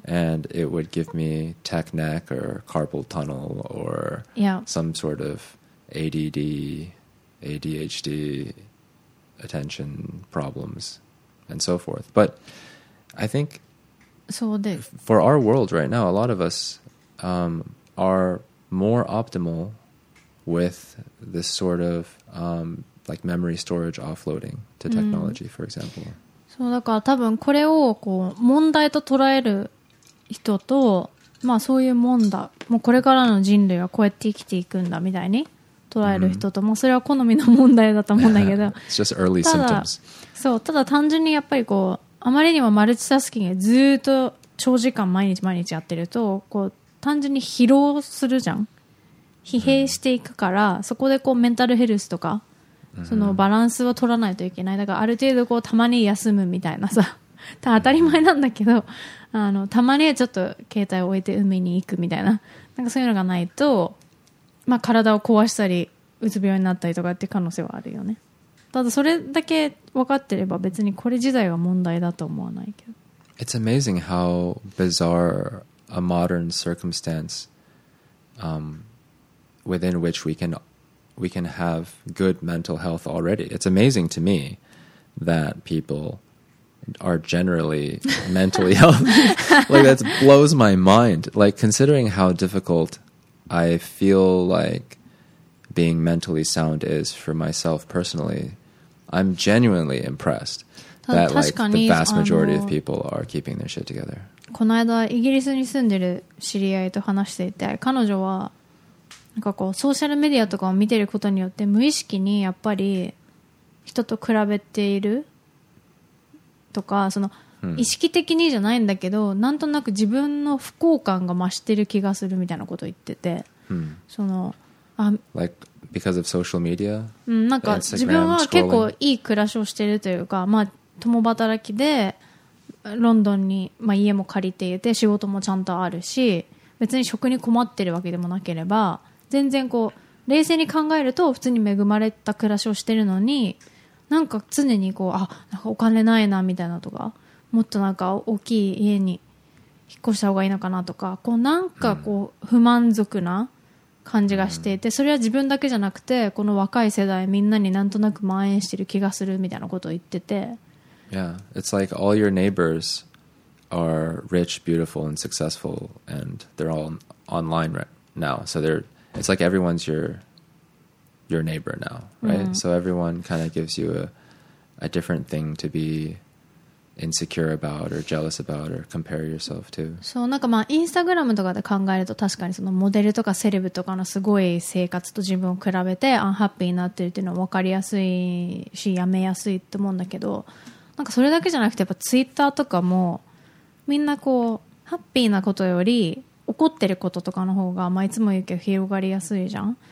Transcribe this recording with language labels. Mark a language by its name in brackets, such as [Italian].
[English] And it would give me tech neck or carpal tunnel or some sort of ADD, ADHD, attention problems, and so forth. But I think... So the, for our world right now, a lot of us are more optimal with this sort of like memory storage offloading to technology, for example. [Japanese] So, だから多分これをこう問題と捉える人と、まあそういうもんだ、もうこれからの人類はこうやって生きていくんだみたいに捉える人と、まあそれは好みの問題だと思うんだけど。 [English] It's just early symptoms. [Japanese] そう、ただ単純にやっぱりこう。あまりにもマルチタスキングでずっと長時間毎日毎日やってると、こう単純に疲労するじゃん、疲弊していくから、そこでこうメンタルヘルスとかそのバランスを取らないといけない。だからある程度こうたまに休むみたいなさ当たり前なんだけど、あのたまにちょっと携帯を置いて海に行くみたいな、なんかそういうのがないと、まあ体を壊したりうつ病になったりとかって可能性はあるよね。ただそれだけ分かってれば別にこれ自体は問題だと思わないけど。 [English] It's amazing how bizarre a modern circumstance, within which we can have good mental health already. It's amazing to me that people are generally mentally healthy. Like that blows my mind. Like considering how difficult I feel like being mentally sound is for myself personally. I'm genuinely impressed that like the vast majority of people are keeping their shit together. [Japanese] この間イギリスに住んでる知り合いと話していて、彼女はなんかこうソーシャルメディアとかを見てることによって無意識にやっぱり人と比べているとか、その意識的にじゃないんだけど、なんとなく自分の不幸感が増してる気がするみたいなこと言ってて、その、 [English] あ、like because of social media、 [Japanese] うん、なんか自分は結構いい暮らしをしてるというか、まあ共働きでロンドンに、まあ、家も借りていて仕事もちゃんとあるし、別に食に困ってるわけでもなければ、全然こう冷静に考えると普通に恵まれた暮らしをしてるのに、なんか常にこう、あ、なんかお金ないなみたいなとか、もっとなんか大きい家に引っ越した方がいいのかなとか、こうなんかこう不満足な感じがしていて、それは自分だけじゃなくてこの若い世代みんなになんとなく蔓延してる気がするみたいなことを言ってて。 [English] Yeah, it's like all your neighbors are rich, beautiful, and successful, and they're all online right now. So they're, it's like everyone's your neighbor now, right? Mm. So everyone kind of gives you a different thing to be insecure about or jealous about or compare yourself to. [Japanese] そう、なんかまあ、インスタグラムとかで考えると確かにそのモデルとかセレブとかのすごい生活と自分を比べてアンハッピーになってるっていうのは分かりやすいし、やめやすいと思うんだけど、なんかそれだけじゃなくて、やっぱツイッターとかもみんなこうハッピーなことより怒ってることとかの方が、まあ、いつも言うけど広がりやすいじゃん。